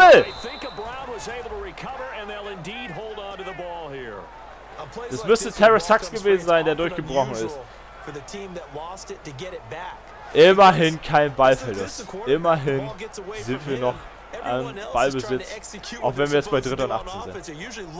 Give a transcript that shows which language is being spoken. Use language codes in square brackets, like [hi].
[en] I think Brown was able to recover, and they'll indeed hold on to the ball here. [de] Das müsste Terrace Sachs gewesen sein, der durchgebrochen ist. [en] For the team that lost it to get it back. [de] Immerhin kein Ballverlust. Immerhin sind wir noch an Ballbesitz, auch wenn wir jetzt bei 3 und 18 sind.